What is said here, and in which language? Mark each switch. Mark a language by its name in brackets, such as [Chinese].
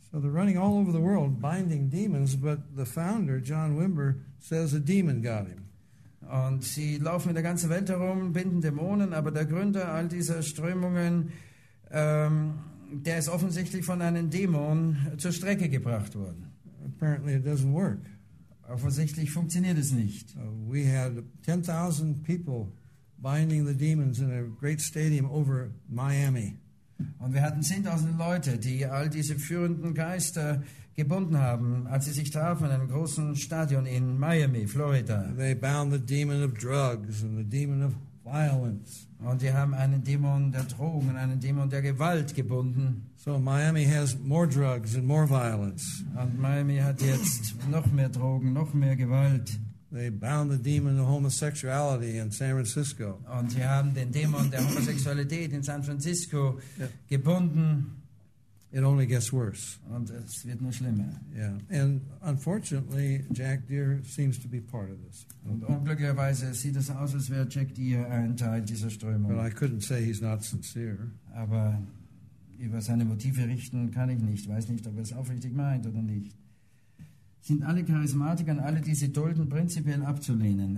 [English] So they're running all over the world binding demons, but the founder, John Wimber, says a demon got him. [German] Und sie laufen in der ganzen Welt herum, binden Dämonen, aber der Gründer all dieser Strömungen, der ist offensichtlich von einem Dämon zur Strecke gebracht worden. [English] Apparently it doesn't work. [German] Offensichtlich funktioniert es nicht. [English] We had 10,000 people binding the demons in a great stadium over Miami. [German] Und wir hatten 10,000 Leute, die all diese führenden Geister gebunden haben, als sie sich trafen in einem großen Stadion in Miami, Florida. [English] They bound the demon of drugs and the demon of violence. [German] Und sie haben einen Dämon der Drogen und einen Dämon der Gewalt gebunden. [English] So Miami has more drugs and more violence. [German] Und Miami hat jetzt noch mehr Drogen, noch mehr Gewalt. [English] They bound the demon of homosexuality in San Francisco. [German] Und sie haben den Dämon der Homosexualität in San Francisco gebunden. [English] It only gets worse. [German] Und es wird nur schlimmer. Yeah. [English] And unfortunately, Jack Deere seems to be part of this. [German] Und unglücklicherweise sieht es aus, als wäre Jack Deere ein Teil dieser Strömung. [English] But I couldn't say he's not sincere. [German] Aber über seine Motive richten kann ich nicht. Weiß nicht, ob er es aufrichtig meint oder nicht. Sind alle Charismatiker und alle diese Dulden prinzipiell abzulehnen?